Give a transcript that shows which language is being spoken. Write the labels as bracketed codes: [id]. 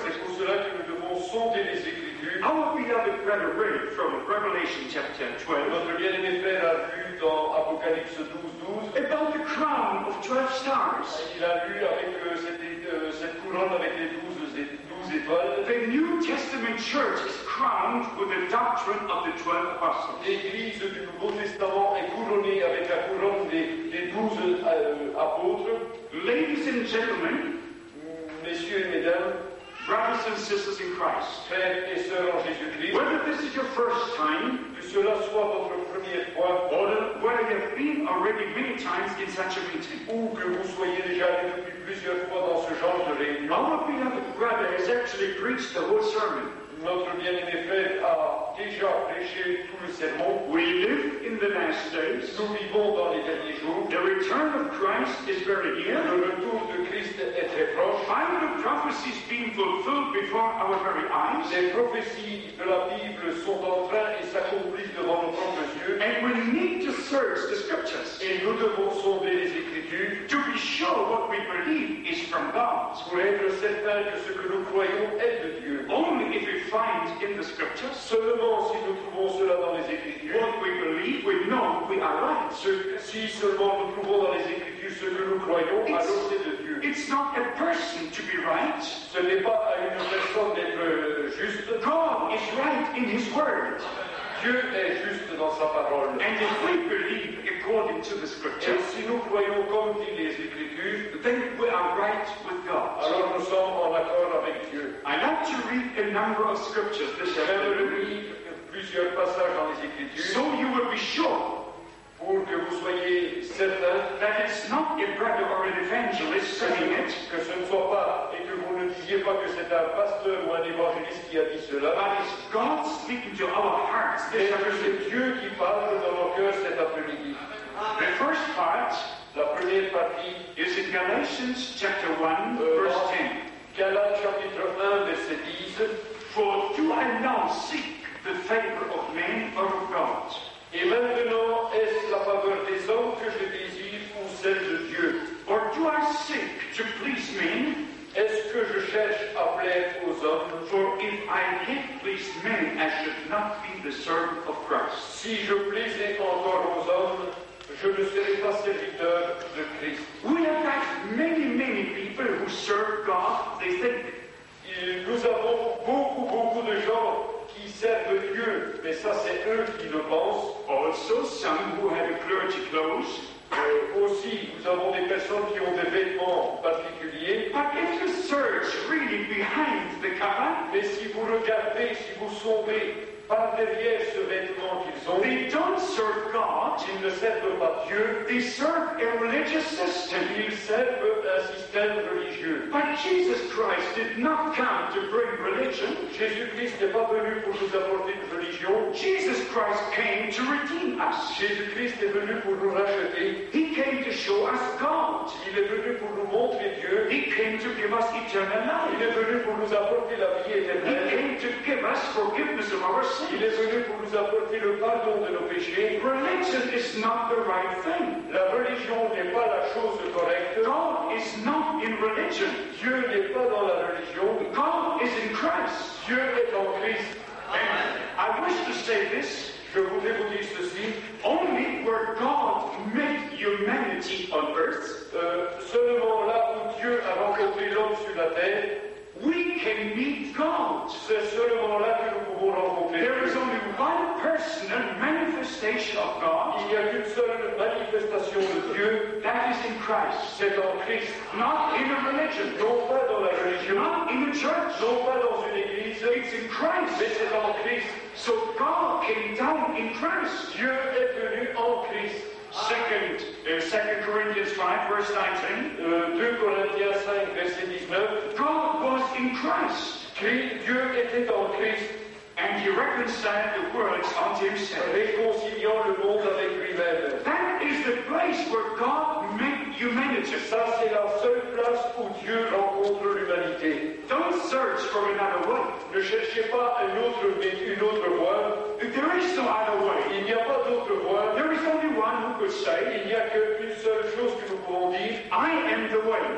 [fr] C'est pour cela que nous devons sonder les Écritures. [en] Our beloved brother read from Revelation chapter 12. [fr] Notre bien-aimé frère a lu dans Apocalypse 12:12. [en] About the crown of 12 stars. [fr] Il a lu avec cette couronne avec les 12 étoiles. [en] The New Testament Church is crowned with the doctrine of the 12 apostles. [fr] L'Église du Nouveau Testament est couronnée avec la couronne des 12 apôtres. [en] Ladies and gentlemen, [fr] messieurs et mesdames, [en] brothers and sisters in Christ, [fr] frères et sœurs en Jésus-Christ, [en] whether this is your first time, [fr] que cela soit votre première fois, [en] or whether you have been already many times in such a meeting, [fr] ou que vous soyez déjà allé depuis plusieurs fois dans ce genre de réunion, [en] our beloved brother has actually preached the whole sermon. [fr] Notre bien-aimé frère a déjà prêché tout le sermon. [en] We live in the last days. [fr] Nous vivons dans les derniers jours. [en] The return of Christ is very near. [fr] Le retour de Christ est très proche. [en] Find the prophecies being fulfilled before our very eyes. [fr] Les prophéties de la Bible sont en train et s'accomplissent devant nos propres yeux. [en] And we need to search the scriptures. [fr] Et nous devons sonder les Écritures. [en] To be sure what we believe is from God. [fr] Pour être certain que ce que nous croyons est de Dieu. [en] Only if we find in the scriptures, [fr] seulement si nous trouvons cela dans les Écritures, [en] what we believe, we know we are right. [fr] Si seulement nous trouvons dans les Écritures ce que nous croyons, alors c'est de Dieu. [en] It's not a person to be right. [fr] Ce n'est pas à une personne d'être juste. [en] God is right in his word. [fr] Dieu est juste dans sa parole. [en] And if we believe according to the scriptures, [fr] et si nous croyons comme dit les Écritures, [en] then we are right with God. [fr] Alors nous sommes en accord avec Dieu. [en] I like to read a number of scriptures this afternoon. [fr] plusieurs passages dans les Écritures. [en] So you would be sure. [fr] Pour que vous soyez certain. [en] That it's not a brother or an evangelist saying it. [fr] Que ce ne soit pas, et que vous ne disiez pas que c'est un pasteur ou un évangéliste qui a dit cela. [en] But it's God speaking to our hearts. [fr] C'est Dieu qui parle dans nos cœurs cet après-midi. [en] The first part. [fr] La première partie [en] is in Galatians chapter 1, verse 10. [fr] Galates chapitre 1, verset 10. [en] For do I now seek the favor of men or of God? [fr] Et maintenant, est-ce la faveur des hommes que je désire ou celle de Dieu? [en] Or do I seek to please men? [fr] Est-ce que je cherche à plaire aux hommes? [en] For if I yet please men, I should not be the servant of Christ. [fr] Si je plaisais encore aux hommes, je ne serai pas serviteur de Christ. [en] We have had many, many people who serve God. They said, [fr] nous avons beaucoup, beaucoup de gens qui servent Dieu, mais ça, c'est eux qui le pensent. [en] Also, some who have a clergy clothes. [fr] Aussi, nous avons des personnes qui ont des vêtements particuliers. [en] But if you search really behind the cover, [fr] mais si vous regardez, si vous sondez par derrière ce vêtement qu'ils ont, [en] they don't serve God. [fr] Ils ne servent pas Dieu. [en] They serve a religious system. [fr] Ils servent un système religieux. [en] But Jesus Christ did not come to bring religion. [fr] Jésus-Christ n'est pas venu pour nous apporter une religion. [en] Jesus Christ came to redeem us. [fr] Jésus-Christ est venu pour nous racheter. [en] He came to show us God. [fr] Il est venu pour nous montrer Dieu. [en] He came to give us eternal life. [fr] Il est venu pour nous apporter la vie éternelle. [en] He came to give us forgiveness of our sins. [fr] Il est venu pour nous apporter le pardon de nos péchés. [en] Religion is not the right thing. [fr] La religion n'est pas la chose correcte. [en] God is not in religion. [fr] Dieu n'est pas dans la religion. [en] God is in Christ. [fr] Dieu est en Christ. [en] Amen. I wish to say this. [fr] Je voulais vous dire ceci. [en] Only where God met humanity on earth. [fr] Seulement là où Dieu a rencontré l'homme sur la terre. [en] We can meet God. [fr] C'est seulement là que nous pouvons rencontrer Dieu. [en] There is only one personal manifestation of God. [fr] Il n'y a qu'une seule manifestation de Dieu. [en] That is in Christ. [fr] C'est en Christ. [en] Not in a religion. [fr] Non pas dans la religion. [en] Not in a church. [fr] Non pas dans une église. [en] It's in Christ. [fr] Mais c'est en Christ. [en] So God came down in Christ. [fr] Dieu est venu en Christ. [en] Second, 2 Corinthians 5, verse 19. 2 Corinthians 5, verse 19. God was in Christ. [fr] Dieu était en Christ. [en] And he reconciled the world unto himself. [fr] Réconciliant le monde avec lui-même. [en] That is the place where God met humanity. [fr] Ça, c'est la seule place où Dieu rencontre l'humanité. [en] Don't search for another way. [fr] Ne cherchez pas un autre, mais une autre voie. [en] There is no other way. [fr] Il n'y a pas d'autre voie. [en] There is only one who could say. [fr] Il n'y a qu'une seule chose que nous pouvons dire. [en] I am the way.